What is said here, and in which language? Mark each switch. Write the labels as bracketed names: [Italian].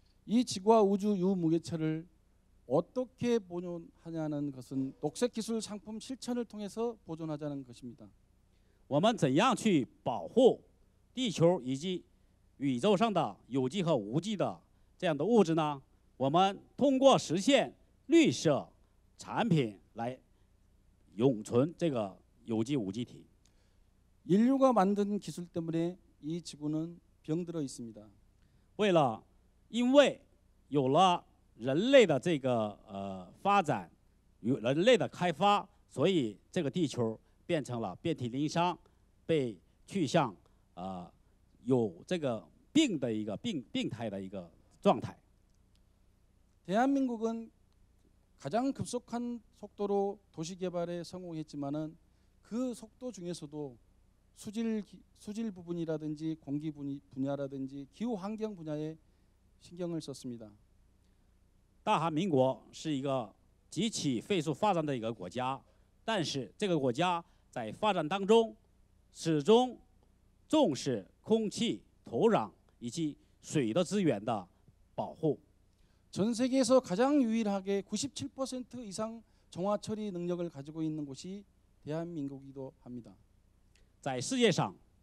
[Korean] 이 지구와 우주 유무기체를 어떻게 보존하냐는 것은 녹색 기술 상품 실천을 통해서 보존하자는 것입니다. [Chinese] 我们怎样去保护地球以及宇宙上的有机和无机的这样的物质呢？我们通过实现绿色产品来永存这个有机无机体。 [Korean] 인류가 만든 기술 때문에 이 지구는 병들어 있습니다. [Chinese] 为了因为有了 人类的这个发展，与人类的开发，所以这个地球变成了遍体鳞伤，被去向有这个病的一个病态的一个状态。 [Korean] 대한민국은 가장 급속한 속도로 도시 개발에 성공했지만은 그 속도 중에서도 수질 부분이라든지 공기 분야라든지 기후 환경 분야에 신경을 썼습니다. [Chinese] 大韩民国是一个极其飞速发展的一个国家，但是这个国家在发展当中始终重视空气、土壤以及水的资源的保护。 [Korean] 전 세계에서 가장 유일하게 97% 이상 정화 처리 능력을 가지고 있는 곳이 대한민국이기도 합니다. [Chinese] 在世界上，